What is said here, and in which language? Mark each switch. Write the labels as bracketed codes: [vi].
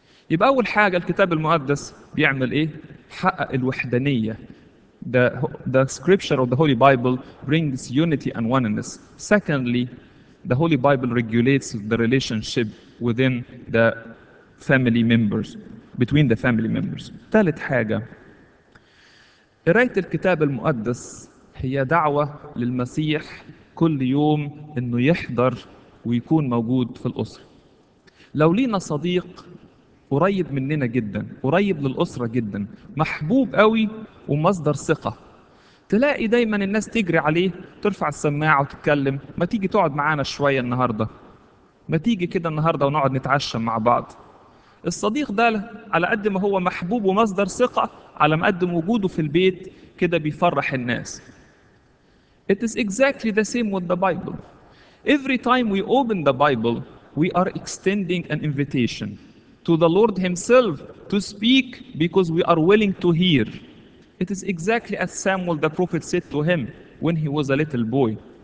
[ar] يبقى أول حاجة الكتاب المقدس بيعمل إيه؟ حقق الوحدانية. [en] The scripture of the Holy Bible brings unity and oneness. Secondly, the Holy Bible regulates the relationship within the family members, between the family members. [ar] ثالث حاجة، قراية الكتاب المقدس هي دعوة للمسيح كل يوم إنه يحضر ويكون موجود في الأسرة. لو لينا صديق قريب مننا جدا، قريب للأسرة جدا، محبوب قوي ومصدر ثقة، تلاقي دايما الناس تجري عليه، ترفع السماعة وتتكلم، ما تيجي تقعد معانا شوية النهاردة، ما تيجي كده النهاردة ونقعد نتعشى مع بعض. الصديق ده على قد ما هو محبوب ومصدر ثقة، على ما قد وجوده في البيت كده بيفرح الناس. [en] It is exactly the same with the Bible. Every time we open the Bible, we are extending an invitation to the Lord Himself to speak because we are willing to hear. It is exactly as Samuel the prophet said to him when he was a little boy.